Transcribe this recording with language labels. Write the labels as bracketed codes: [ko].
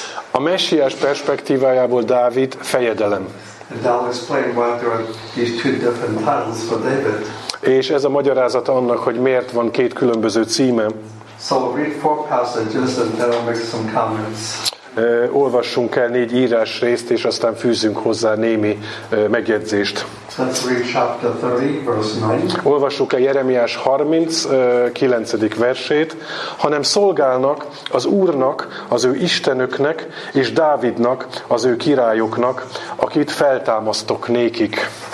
[hu] A Messiás perspektívájából Dávid fejedelem. [en] And I'll explain why there are these two different titles for David. [hu] És ez a magyarázata annak, hogy miért van két különböző címe. [en] So I'll read four passages and then I'll make some comments. [hu] Olvassunk el négy írás részt, és aztán fűzzünk hozzá némi megjegyzést. [en] Let's read chapter 30, verse 9. [hu] Olvassuk el Jeremiás 39. versét, hanem szolgálnak az Úrnak, az ő Istenöknek, és Dávidnak, az ő királyoknak, akit feltámasztok nékik.